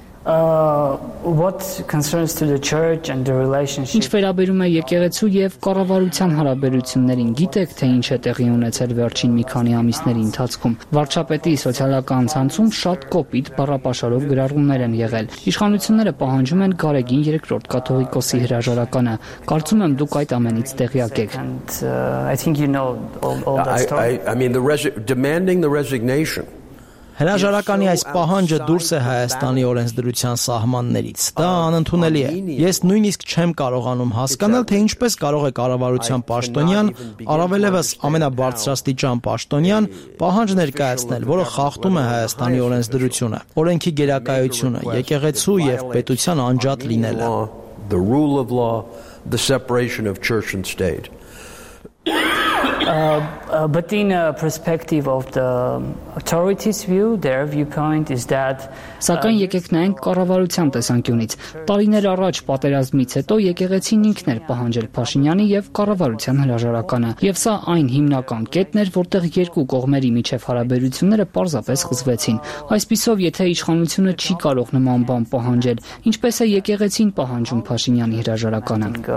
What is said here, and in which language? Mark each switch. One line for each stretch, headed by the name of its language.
English: What concerns to the church and the relationship?
Armenian: Ինչ վերաբերում է եկեղեցու եւ կառավարության հարաբերություններին, գիտեք թե ինչ է տեղի ունեցել վերջին մի քանի ամիսների ընթացքում։ Վարչապետի սոցիալական ցանցում շատ կոպիտ բառապաշարով գրառումներ են եղել։ Իշխանությունները պահանջում են Գարեգին 3-րդ կաթողիկոսի հրաժարականը։ Կարծում եմ դուք այդ ամենից տեղյակ եք։
English: I think you know all that story. I mean demanding the resignation.
Armenian: Հրաժարականի այս պահանջը դուրս է Հայաստանի օրենսդրության սահմաններից։ Դա անընդունելի է։ Ես նույնիսկ չեմ կարողանում հասկանալ, թե ինչպես կարող է կառավարության պաշտոնյան, առավելևս ամենաբարձրաստիճան պաշտոնյան, պահանջ ներկայացնել, որը խախտում է Հայաստանի օրենսդրությունը, օրենքի գերակայությունը, եկեղեցու և պետության անջատ լինելը։
English: But in a perspective of the authorities' view, their viewpoint is that
Armenian: Սակայն եկեք նայենք կառավարության տեսանկյունից։ Տարիներ առաջ պատերազմից հետո եկեղեցին ինքն էր պահանջել Փաշինյանի եւ կառավարության հրաժարականը, եւ սա այն հիմնական կետն էր, որտեղ երկու կողմերի միջև հարաբերությունները պարզապես խզվեցին։ Այսպիսով, եթե իշխանությունը չի կարող նման բան պահանջել, ինչպես է եկեղեցին պահանջում Փաշինյանի հրաժարականը։